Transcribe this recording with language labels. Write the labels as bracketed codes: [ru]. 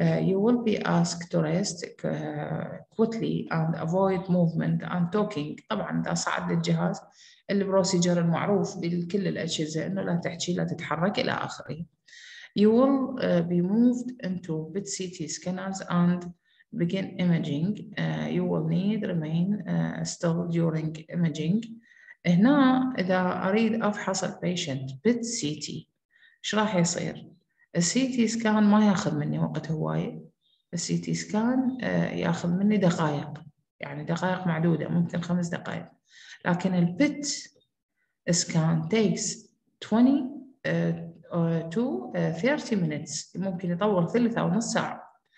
[en] You will be asked to rest quickly and avoid movement and talking. [ar] طبعاً ده صعد للجهاز البروسيجر المعروف بكل الأجهزة إنه لا تحكي لا تتحرك إلى آخره. [en] You will be moved into PET CT scanners and begin imaging. You will need remain still during imaging. [ar] هنا إذا أريد أفحص البيشنت PET CT إيش راح يصير؟ السي تي سكان ما ياخذ مني وقت هواي، السي تي سكان ياخذ مني دقائق، يعني دقائق معدوده ممكن 5 دقائق، لكن البت سكان [en] takes 20 to 30 minutes, [ar] ممكن يطول ثلث او نص ساعه.